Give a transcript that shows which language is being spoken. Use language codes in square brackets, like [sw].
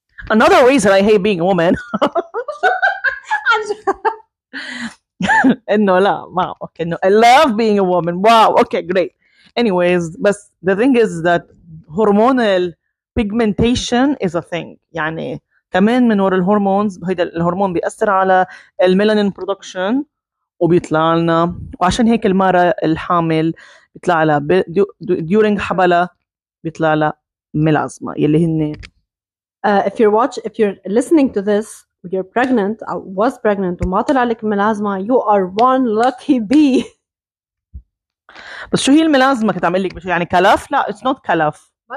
[en] Another reason I hate being a woman. [ar] انه لا ما اوكي انه [en] I love being a woman. [ar] واو اوكي جريت. [en] Anyways بس the thing is that hormonal pigmentation is a thing. [ar] يعني كمان من وراء الهرمونز، هيدا الهرمون بيأثر على الميلانين برودكشن وبيطلع لنا. وعشان هيك المرأة الحامل بيطلع لها during حبلها بيطلع لها ميلازما يلي هن [en] if you're listening to this you're pregnant or was pregnant [ar] وما طلع لك ميلازما، [en] you are one lucky bee. [ar] بس شو هي الميلازما كنت عم قلك؟ يعني كلف؟ لا [en] it's not [ar] كلف.